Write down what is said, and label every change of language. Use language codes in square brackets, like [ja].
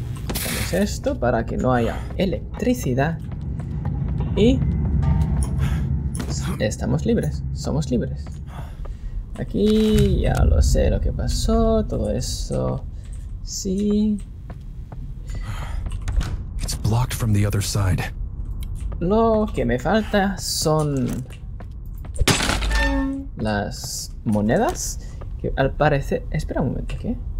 [es] Hacemos esto para que no haya electricidad. Y estamos libres, somos libres. Aquí ya lo sé lo que pasó, todo eso. Sí. [en] It's blocked from the other side. [es] Lo que me falta son las monedas que al parecer, espera un momento, ¿qué?